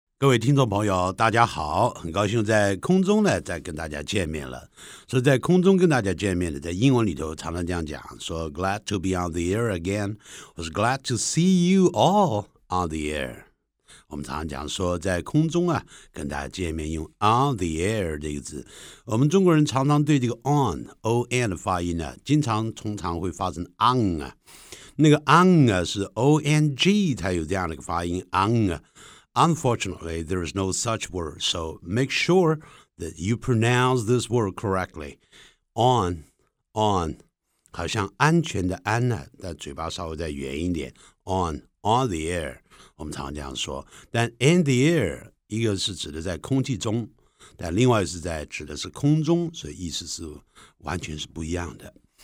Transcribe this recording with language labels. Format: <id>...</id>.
<zh>各位听众朋友大家好，很高兴在空中呢再跟大家见面了。所以在空中跟大家见面的，在英文里头常常这样讲，说</zh> <en>glad to be on the air again，</en> <zh>或是</zh> <en>glad to see you all on the air。</en> <zh>我们常常讲说在空中啊跟大家见面，用 on the air 这个字，我们中国人常常对这个 on O-N 的发音呢、啊、通常会发成 on 啊，那个 on 啊是 O-N-G 才有这样的一个发音 on 啊。</zh> <en>Unfortunately, there is no such word, so make sure that you pronounce this word correctly.</en> <zh>On, on, 好像安全的安呢，但嘴巴稍微再圆一点。 On the air, 我们常这样说。但 in the air, 一个是指的在空气中，但另外是在指的是空中，所以意思是完全是不一样的。</zh>